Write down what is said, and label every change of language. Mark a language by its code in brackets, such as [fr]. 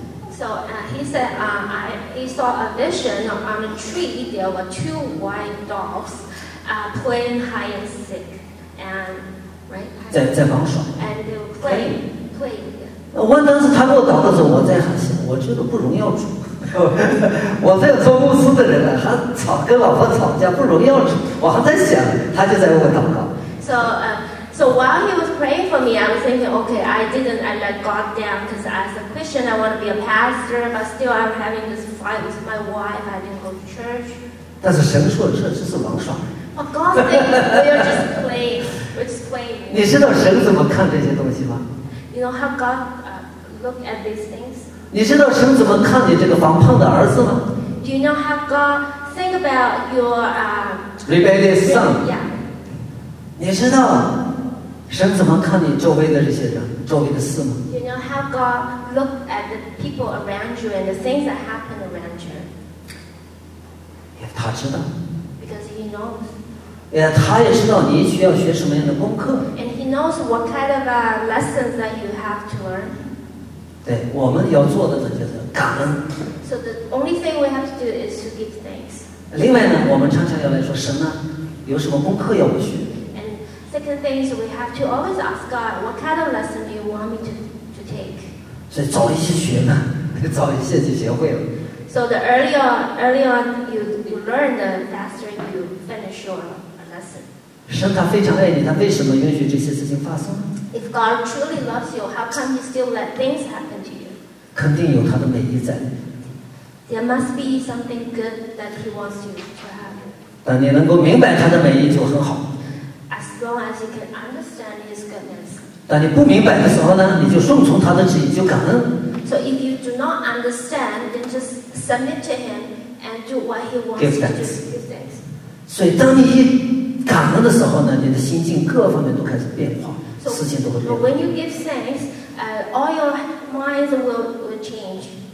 [en] So he said, he saw a vision on a tree. There were two white dogs, playing hide and seek, and right. [zh] 在帮耍。 [en] And they were playing. [zh] 我当时他给我祷告的时候，我在想，我觉得不荣耀主。我在做牧师的人呢，还吵跟老婆吵架不容易，我还在想，他就在为我祷告。 [en] So while he was praying for me, I was thinking, okay, I let God down because as a Christian, I want to be a pastor, but still I'm having this fight with my wife. I didn't go to church. [zh] 但是神说这只是玩耍。 [en] But God said, we're just playing. [zh] 你知道神怎么看这些东西吗？ [en] You know how God look at these things? [zh] 你知道神怎么看你这个反叛的儿子吗？ [en] Do you know how God think about your rebellious son? Yeah. [zh] 你知道神怎么看你周围的这些人，周围的事吗？ [en] Do you know how God look at the people around you and the things that happen around you? [zh] Yeah, 他知道。 [en] Because he knows. [zh] Yeah, 他也知道你需要学什么样的功课。 [en] And he knows what kind of lessons that you have to learn. [zh] 对，我们要做的呢就是感恩。 [en] So the only thing we have to do is to give thanks. [zh] 另外呢，我们常常要来说神呢，有什么功课要我学 [en] ？And second thing is we have to always ask God, what kind of lesson do you want me to take? [zh] 所以早一些学呢，早一些就学会了。 [en] So the earlier you learn, the faster you finish your lesson. [zh] 神他非常爱你，他为什么允许这些事情发生？ [en] If God truly loves you, how come He still let things happen to you? [zh] 肯定有他的美意在。 [en] There must be something good that He wants you to have. [zh] 但你能够明白他的美意就很好。 [en] As long as you can understand His goodness. [zh] 但你不明白的时候呢，你就顺从他的旨意，就感恩。 [en] So if you do not understand, then just submit to Him and do what He wants you to do. Give thanks. [zh] 所以当你一感恩的时候呢，你的心境各方面都开始变化。 [en] So, when you give thanks, all your minds will change.